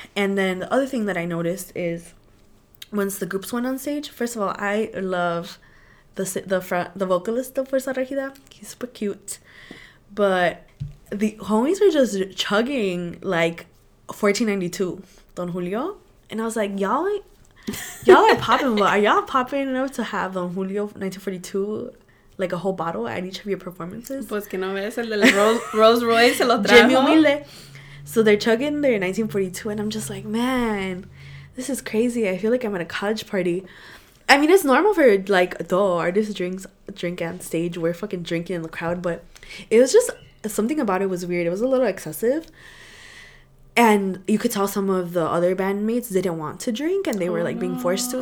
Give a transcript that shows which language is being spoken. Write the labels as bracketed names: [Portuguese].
[English] And then the other thing that I noticed is once the groups went on stage, first of all, I love the vocalist of Fuerza Regida. He's super cute. But the homies were just chugging like 1492 Don Julio, and I was like, y'all are popping, but are y'all popping enough to have Don Julio 1942 like a whole bottle at each of your performances? [Spanish] Pues que no ves el de la Rolls Royce se lo trajo. [English] Jimmy Humilde. So they're chugging their 1942, and I'm just like, man, this is crazy. I feel like I'm at a college party. I mean, it's normal for like adult artists drink on stage. We're fucking drinking in the crowd, but it was just something about it was weird. It was a little excessive. And you could tell some of the other bandmates didn't want to drink, and they were, like, being forced to.